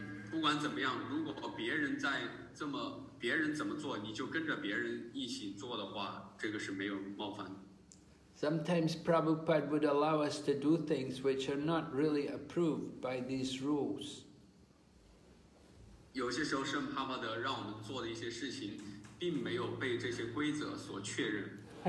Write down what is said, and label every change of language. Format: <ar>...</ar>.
<zh>不管怎么样，如果别人在这么，别人怎么做，你就跟着别人一起做的话，这个是没有冒犯。</zh> <en>Sometimes Prabhupada would allow us to do things which are not really approved by these rules.</en> <zh>有些时候，圣帕帕德让我们做的一些事情，并没有被这些规则所确认。</zh>